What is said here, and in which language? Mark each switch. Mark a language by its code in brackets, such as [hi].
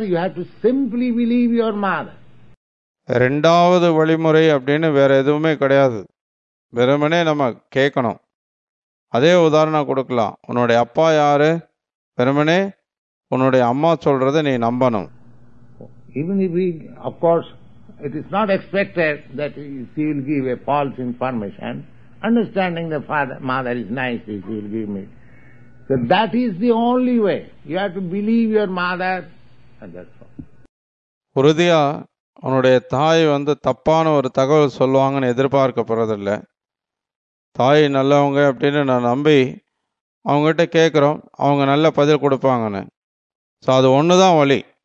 [en] You have to simply believe your mother. [ta] ரெண்டாவது வழிமுறை அப்படின்னு வேற எதுவுமே கிடையாது. வெறுமனே நம்ம கேட்கணும். அதே உதாரணம் கொடுக்கலாம். உன்னுடைய அப்பா யாரு? பெருமனே உன்னுடைய அம்மா சொல்றத நீ நம்பணும். [en] Even if we, of course, it is not expected that she will give a false information. Understanding the father, mother is nice, she will give me. So that is the only way. You have to believe your mother and that's all. [ta] உறுதியா உன்னுடைய தாய் வந்து தப்பான ஒரு தகவல் சொல்லுவாங்கன்னு எதிர்பார்க்கப்படுறதில்லை. தாய் நல்லவங்க அப்படின்னு நான் நம்பி அவங்ககிட்ட கேட்குறோம், அவங்க நல்ல பதில் கொடுப்பாங்கன்னு. ஸோ அது ஒன்று தான் வழி.